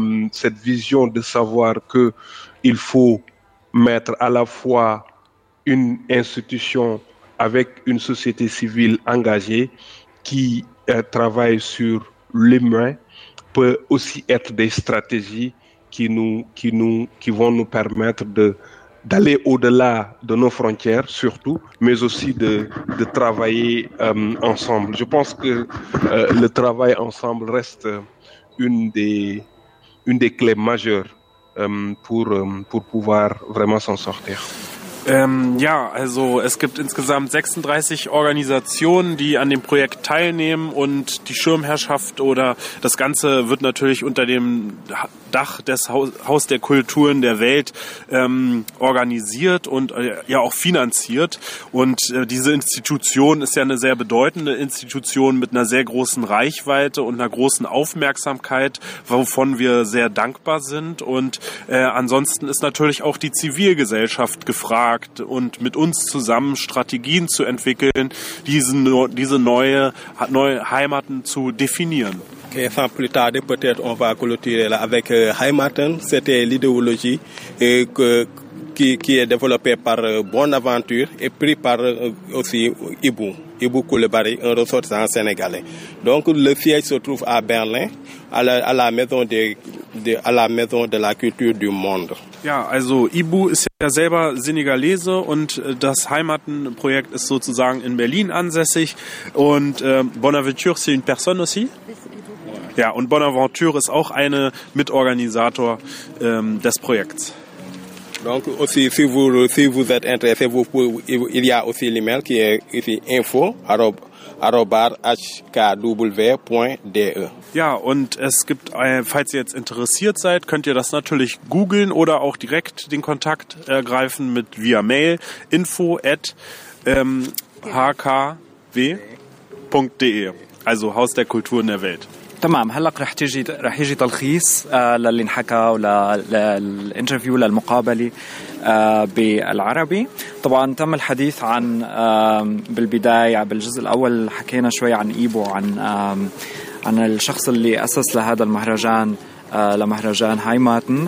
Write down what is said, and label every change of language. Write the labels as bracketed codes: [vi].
[fr] cette vision de savoir que il faut mettre à la fois une institution avec une société civile engagée qui travaille sur l'humain peut aussi être des stratégies qui vont nous permettre d'aller au-delà de nos frontières surtout, mais aussi de travailler ensemble. Je pense que le travail ensemble reste une des clés majeures pour pouvoir vraiment s'en sortir. [de] Ja, also es gibt insgesamt 36 Organisationen, die an dem Projekt teilnehmen und die Schirmherrschaft oder das Ganze wird natürlich unter dem Dach des Haus der Kulturen der Welt organisiert und ja auch finanziert. Und diese Institution ist ja eine sehr bedeutende Institution mit einer sehr großen Reichweite und einer großen Aufmerksamkeit, wovon wir sehr dankbar sind. Und ansonsten ist natürlich auch die Zivilgesellschaft gefragt, und mit uns zusammen Strategien zu entwickeln, diese neue Heimaten zu definieren. [fr] Okay, sans plus tarder, peut-être on va clôturer là avec Heimaten. C'était l'idéologie qui est développée par Bonaventure et pris par aussi Ibu Koulibaly, un ressortissant sénégalais. Donc le siège se trouve à Berlin, à la maison de la culture du monde. [de] Ja, also Ibu ist ja selber Senegalese und das Heimatenprojekt ist sozusagen in Berlin ansässig. [fr] Und Bonaventure, c'est une personne aussi? [de] Ja, und Bonaventure ist auch eine Mitorganisator des Projekts. [fr] Donc aussi, si vous êtes intéressé, il y a aussi l'email qui est ici info@hkw.de. [de] Ja, und es gibt, falls ihr jetzt interessiert seid, könnt ihr das natürlich googeln oder auch direkt den Kontakt ergreifen mit via Mail info@hkw.de, also Haus der Kulturen der Welt. [ar] تمام هلق رح يجي تلخيص للي انحكى وللانترفيو للمقابلة بالعربي. طبعا تم الحديث عن بالبداية بالجزء الأول حكينا شوي عن إيبو عن الشخص اللي أسس لهذا المهرجان لمهرجان هايماتن.